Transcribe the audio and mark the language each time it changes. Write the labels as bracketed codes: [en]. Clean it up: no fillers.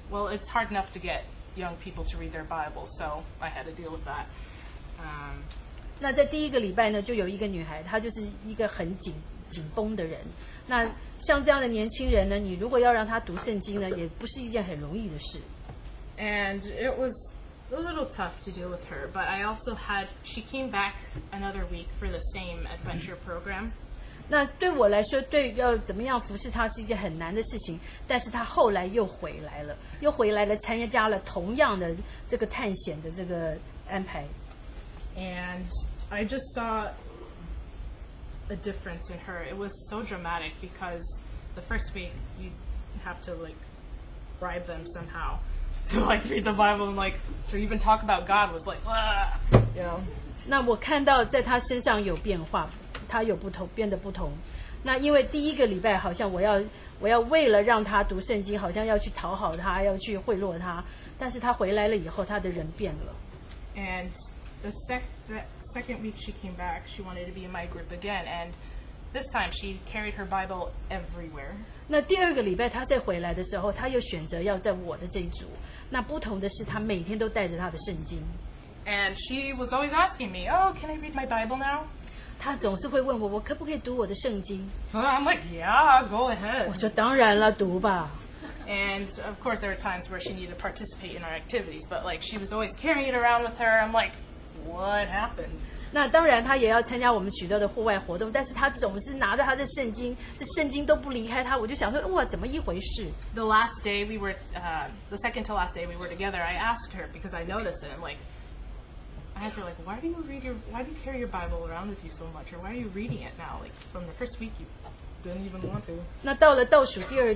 [en] It's hard enough to get young people to read their Bible, so I had to deal with that. [zh] 那在第一个礼拜呢，就有一个女孩，她就是一个很紧绷的人。那像这样的年轻人呢，你如果要让她读圣经呢，也不是一件很容易的事。 [en] And it was a little tough to deal with her, but I also had, she came back another week for the same adventure program. [zh] 那对我来说，对要怎么样服侍她是一件很难的事情，但是她后来又回来了，又回来了，参加了同样的这个探险的这个安排。 [en] And I just saw a difference in her. It was so dramatic because the first week you have to like bribe them somehow. So like read the Bible and like to even talk about God was like, you know. [zh] 那我看到在他身上有变化，他有不同，变得不同。那因为第一个礼拜好像我要为了让他读圣经，好像要去讨好他，要去贿赂他。但是他回来了以后，他的人变了。 [en] And the second week she came back, she wanted to be in my group again, and this time she carried her Bible everywhere. [zh] 那第二个礼拜他再回来的时候，他又选择要在我的这一组。那不同的是，他每天都带着他的圣经。 [en] And she was always asking me, "Oh, can I read my Bible now?" [zh] 他总是会问我，我可不可以读我的圣经 [en] ？I'm like, "Yeah, go ahead." [zh] 我说当然了，读吧。 [en] And of course, there are times where she needed to participate in our activities, but like she was always carrying it around with her. I'm like, what happened? [zh] 那当然，她也要参加我们许多的户外活动，但是她总是拿着她的圣经，这圣经都不离开她。我就想说，哇，怎么一回事？ [en] The last day we were, the second to last day we were together, I asked her because I noticed it. I'm like, I asked her like, why do you carry your Bible around with you so much, or why are you reading it now? Like from the first week, you didn't even want to.